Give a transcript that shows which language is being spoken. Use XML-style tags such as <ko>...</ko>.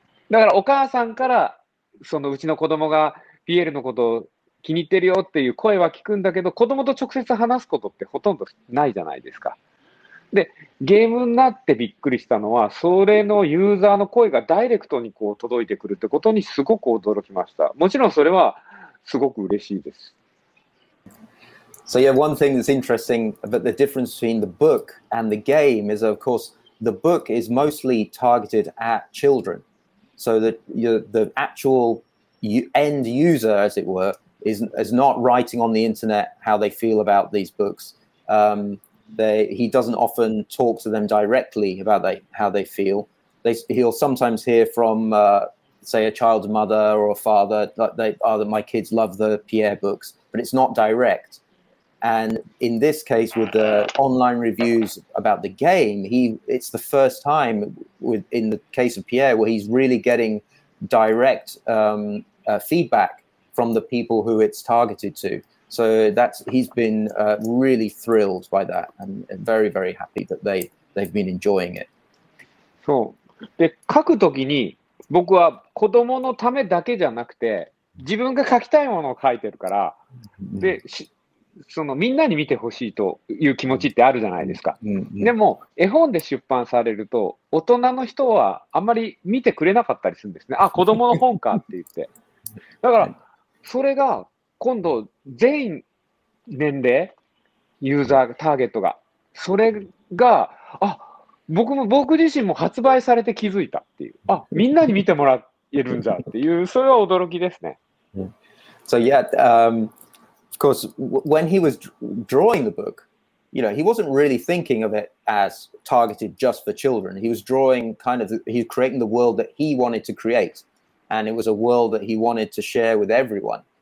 <ja>だからお母さんから、そのうちの子供がピエールのことを気に入ってるよっていう声は聞くんだけど、子供と直接話すことってほとんどないじゃないですか。で、ゲームになってびっくりしたのは、それのユーザーの声がダイレクトにこう届いてくるってことにすごく驚きました。もちろんそれはすごく嬉しいです。</ja> <en>So yeah, one thing that's interesting about the difference between the book and the game is, of course, the book is mostly targeted at children. So that the actual end user, as it were, is not writing on the internet how they feel about these books. He doesn't often talk to them directly about how they feel. He'll sometimes hear from, say, a child's mother or a father, like that my kids love the Pierre books, but it's not direct. And in this case, with the online reviews about the game, it's the first time in the case of Pierre where he's really getting direct feedback from the people who it's targeted to. So he's been really thrilled by that and very, very happy that they've been enjoying it.</en> <ja>そう。で、書くときに僕は子供のためだけじゃなくて自分が書きたいものを書いてるから、で、そのみんなに見てほしいという気持ちってあるじゃないですか。でも絵本で出版されると大人の人はあんまり見てくれなかったりするんですね。あ、子供の本かって言って。だからそれが今度全員年齢ユーザーターゲットがそれが僕自身も発売されて気づいたっていう、あ、みんなに見てもらえるんじゃっていう、それは驚きですね。</ja> <en>So yeah, of course, when he was drawing the book, you know, he wasn't really thinking of it as targeted just for children. He was drawing he's creating the world that he wanted to create, and it was a world that he wanted to share with everyone.</en>